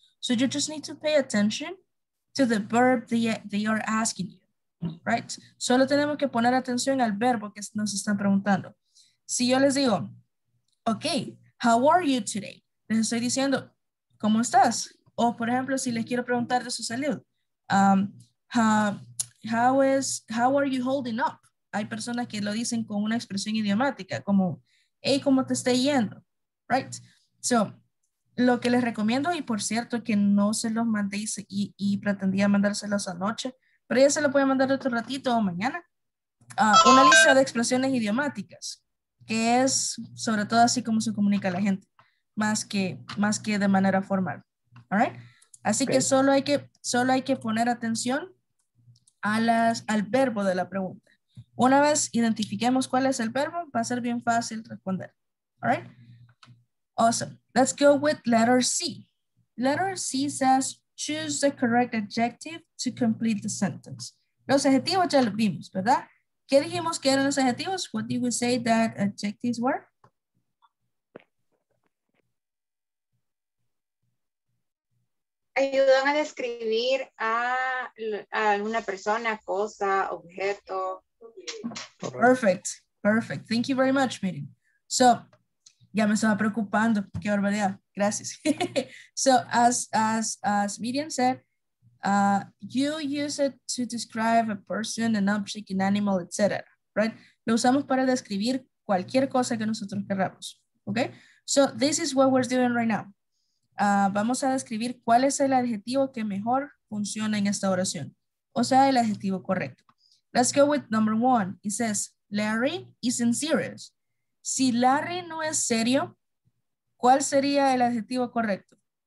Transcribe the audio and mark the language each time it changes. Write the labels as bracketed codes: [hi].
[en] So you just need to pay attention to the verb they are asking you, right? [es] Solo tenemos que poner atención al verbo que nos están preguntando. Si yo les digo, okay, how are you today? Les estoy diciendo, ¿cómo estás? O por ejemplo, si les quiero preguntar de su salud, how are you holding up? Hay personas que lo dicen con una expresión idiomática, como, hey, ¿cómo te está yendo? Right? So, lo que les recomiendo, y por cierto que no se los mandé y pretendía mandárselos anoche, pero ya se lo puede mandar otro ratito o mañana, una lista de expresiones idiomáticas, que es sobre todo así como se comunica la gente, más que de manera formal. All right? Así okay. Que solo hay que poner atención al verbo de la pregunta. Una vez identifiquemos cuál es el verbo, va a ser bien fácil responder. [en] All right? Awesome. Let's go with letter C. Letter C says, choose the correct adjective to complete the sentence. [es] Los adjetivos ya los vimos, ¿verdad? ¿Qué dijimos que eran los adjetivos? [en] What did we say that adjectives were? [es] Ayudan a describir a una persona, cosa, objeto. Perfect, perfect. Thank you very much, Miriam. So, ya me estaba preocupando. Qué barbaridad. Gracias. [en] So, as Miriam said, you use it to describe a person, an object, an animal, etc. Right? [es] Lo usamos para describir cualquier cosa que nosotros queramos. [en] Okay? So, this is what we're doing right now. [es] Vamos a describir cuál es el adjetivo que mejor funciona en esta oración. O sea, el adjetivo correcto. Let's go with number one. It says, Larry isn't serious. Si Larry no es serio, ¿cuál sería el adjetivo correcto?